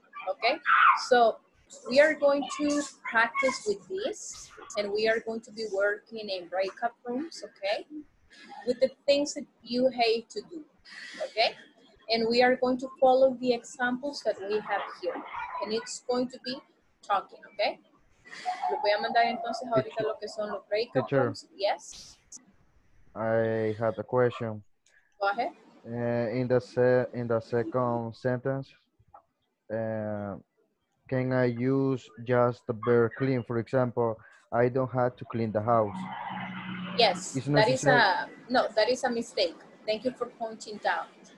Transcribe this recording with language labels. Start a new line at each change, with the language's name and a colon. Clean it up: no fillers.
English: Okay, so we are going to practice with this, and we are going to be working in breakout rooms, okay, with the things that you hate to do, okay? And we are going to follow the examples that we have here. And it's going to be talking, okay?
Spanish: Le voy a mandar entonces ahorita lo que son los breakout rooms.
English: Yes? I had a question. Go ahead. In the second sentence, can I use just the verb clean? For example, I don't have to clean the house. Yes, that is a mistake. Thank you for pointing it out.